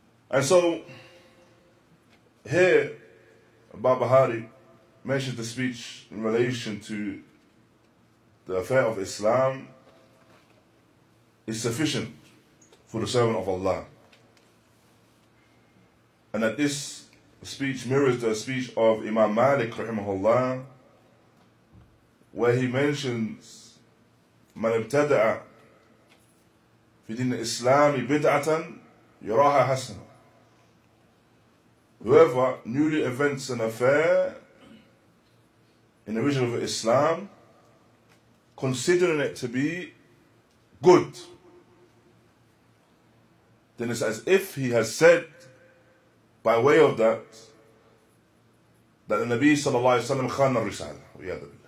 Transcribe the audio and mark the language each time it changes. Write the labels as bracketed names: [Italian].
[English] And so here Barbahaaree mentions the speech in relation to the affair of Islam is sufficient for the servant of Allah, and that this speech mirrors the speech of Imam Malik rahimahullah, where he mentions [Arabic] man ibtada'a في دين الإسلام بدعة يراها حسنة. [English] Whoever newly invents an affair in the vision of Islam, considering it to be good, then it's as if he has said by way of that the Nabi sallallahu alayhi wa sallam [Arabic] khana al-risalah, wiyadha billah.